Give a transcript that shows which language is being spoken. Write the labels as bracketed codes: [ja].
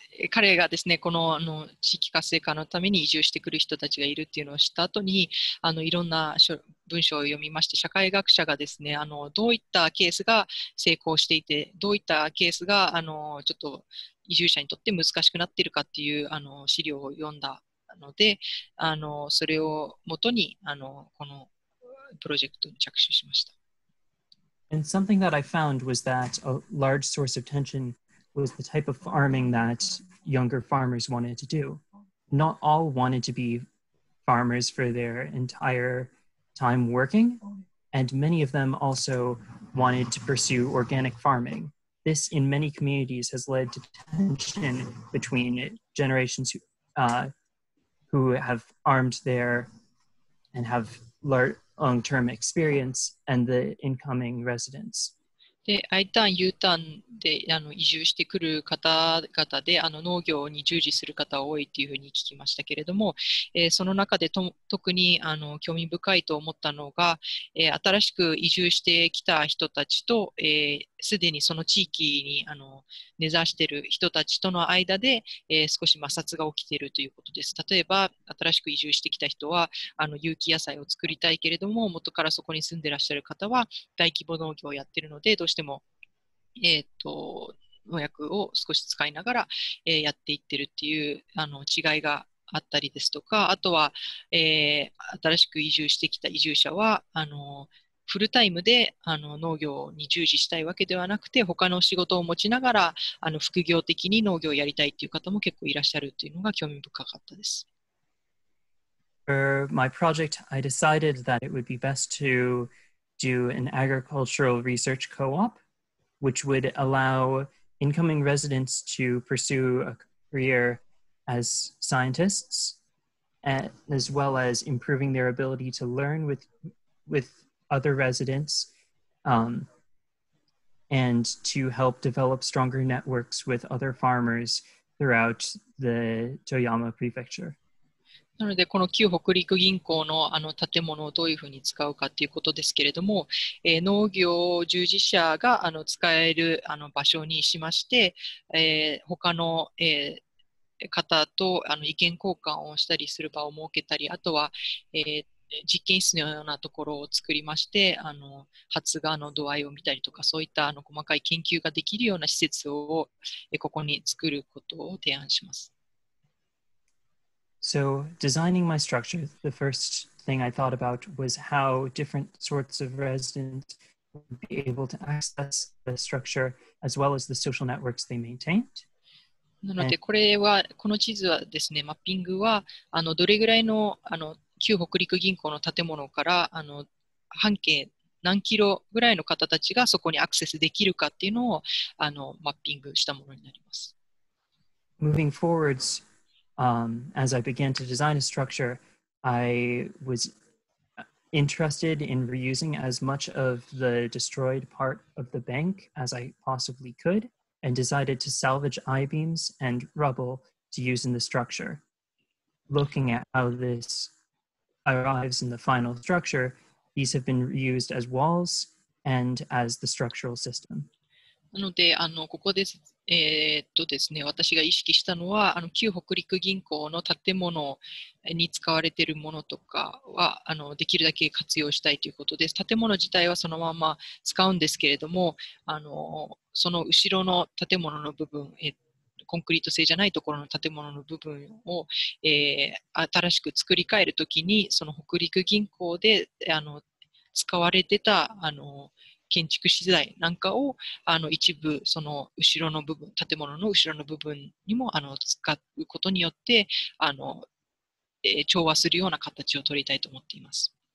[ja] 彼がですね、この地域活性化のために移住してくる人たちがいるっていうのを知った後に、いろんな文章を読みまして、社会学者がですね、どういったケースが成功していて、どういったケースがちょっと移住者にとって難しくなっているかっていう資料を読んだので、それをもとにこのプロジェクトに着手しました。 [en] And something that I found was that a large source of tensionwas the type of farming that younger farmers wanted to do. Not all wanted to be farmers for their entire time working, and many of them also wanted to pursue organic farming. This, in many communities, has led to tension between generations who have farmed there and have long-term experience and the incoming residents. [ja] で、I ターン、U ターンで移住してくる方々で農業に従事する方が多いというふうに聞きましたけれども、その中で特に興味深いと思ったのが、新しく移住してきた人たちと、すでにその地域に根ざしている人たちとの間で、少し摩擦が起きているということです。例えば、新しく移住してきた人は有機野菜を作りたいけれども、元からそこに住んでらっしゃる方は大規模農業をやっているので、どうしても、農薬を少し使いながら、やっていっているという違いがあったりですとか、あとは、新しく移住してきた移住者は、フルタイムで農業に従事したいわけではなくて、他の仕事を持ちながら副業的に農業をやりたいという方も結構いらっしゃるというのが興味深かったです。 [en] For my project, I decided that it would be best to do an agricultural research co-op, which would allow incoming residents to pursue a career as scientists, as well as improving their ability to learn withother residents, and to help develop stronger networks with other farmers throughout the Toyama Prefecture. [ja] なので、この旧北陸銀行の建物をどういうふうに使うかということですけれども、農業従事者が使える場所にしまして、他の、方と意見交換をしたりする場を設けたり、あとは、実験室のようなところを作りまして、あの発芽の度合いを見たりとか、そういったあの細かい研究ができるような施設をここに作ることを提案します。 [en] So, designing my structure, the first thing I thought about was how different sorts of residents would be able to access the structure as well as the social networks they maintained. [ja] なので、これは、この地図はですね、マッピングは、あのどれぐらいの、 あの旧北陸銀行の建物から、あの半径何キロぐらいの方たちがそこにアクセスできるかっていうのを、あのマッピングしたものになります。 [en] Moving forwards, as I began to design a structure, I was interested in reusing as much of the destroyed part of the bank as I possibly could. And decided to salvage I-beams and rubble to use in the structure. Looking at how this arrives in the final structure, these have been reused as walls and as the structural system. [ja] なので、あのここで、ですね、私が意識したのは、あの旧北陸銀行の建物に使われているものとかは、あのできるだけ活用したいということです。建物自体はそのまま使うんですけれども、あのその後ろの建物の部分、コンクリート製じゃないところの建物の部分を、新しく作り替えるときに、その北陸銀行であの使われてたあの建築資材なんかをあの一部その後ろの部分、建物の後ろの部分にもあの使うことによってあの、調和するような形を取りたいと思っています。